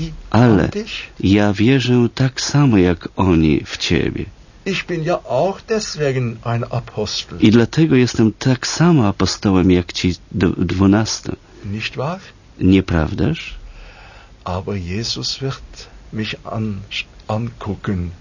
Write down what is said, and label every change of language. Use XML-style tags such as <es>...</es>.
<pl>Ale ja wierzę tak samo jak oni w ciebie.</pl> <de>Ich bin ja auch deswegen ein Apostel.</de> <pl>I dlatego jestem tak samo apostołem jak ci 12.</pl> <de>Nicht wahr?</de> <pl>Nieprawdaż?</pl> <de>Aber Jesus wird mich angucken,</de>